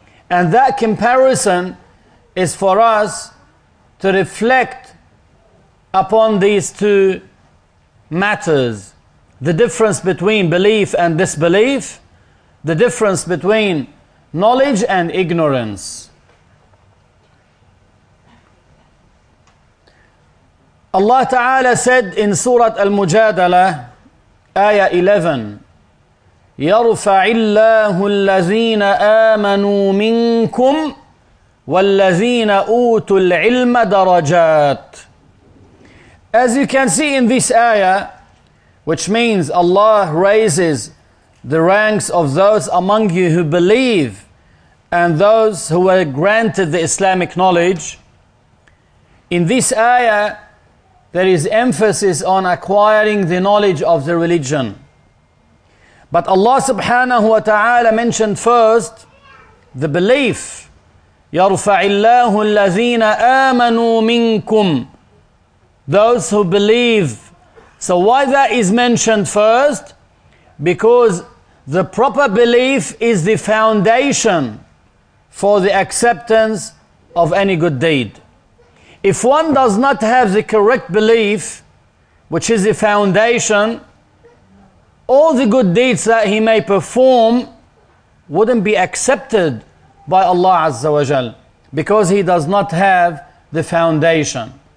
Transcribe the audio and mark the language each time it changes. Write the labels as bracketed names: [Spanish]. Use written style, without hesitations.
[English] And that comparison is for us to reflect upon these two matters. The difference between belief and disbelief, the difference between knowledge and ignorance. Allah Ta'ala said in Surah Al-Mujadala, Ayah 11, [Arabic] يَرْفَعِ اللَّهُ الَّذِينَ آمَنُوا مِنْكُمْ وَالَّذِينَ أُوتُوا الْعِلْمَ دَرَجَاتٍ. [English] As you can see in this ayah, which means Allah raises the ranks of those among you who believe and those who were granted the Islamic knowledge. In this ayah, there is emphasis on acquiring the knowledge of the religion. But Allah subhanahu wa ta'ala mentioned first the belief. [Arabic] يَرْفَعِ اللَّهُ الَّذِينَ آمَنُوا مِنْكُمْ, [English] those who believe. So why that is mentioned first? Because the proper belief is the foundation for the acceptance of any good deed. If one does not have the correct belief, which is the foundation, all the good deeds that he may perform wouldn't be accepted by Allah Azza wa Jal because he does not have the foundation.